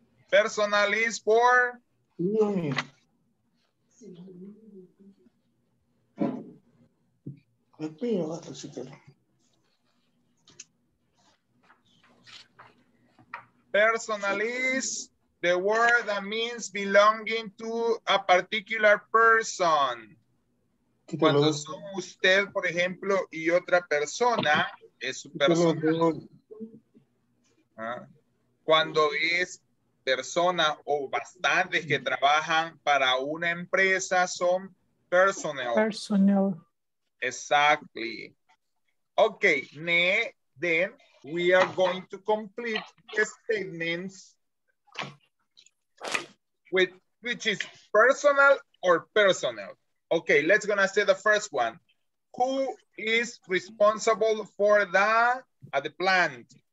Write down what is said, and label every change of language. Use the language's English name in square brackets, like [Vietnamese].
[English] Personal is for? Personal is the word that means belonging to a particular person. [Spanish] Cuando son usted, por ejemplo, y otra persona, es su persona. Cuando es personas o bastantes que trabajan para una empresa son personnel. [English] Personnel. Exactly. Okay, then we are going to complete the statements with which is personal or personnel. Okay, let's gonna say the first one. Who is responsible for the at the plant?